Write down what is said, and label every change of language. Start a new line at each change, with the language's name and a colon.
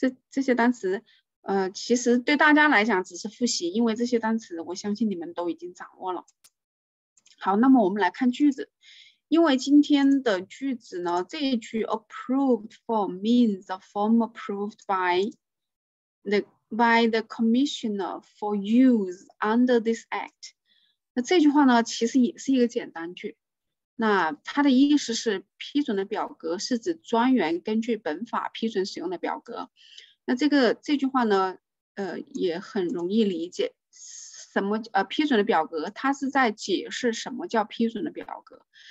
Chinese: 这些单词，其实对大家来讲只是复习，因为这些单词我相信你们都已经掌握了。好，那么我们来看句子。因为今天的句子呢，这一句
English: approved form means a form approved by the commissioner for use under this act.
Chinese: 那这句话呢，其实也是一个简单句。那它的意思是批准的表格是指专员根据本法批准使用的表格。那这句话呢，也很容易理解。什么批准的表格？它是在解释什么叫批准的表格。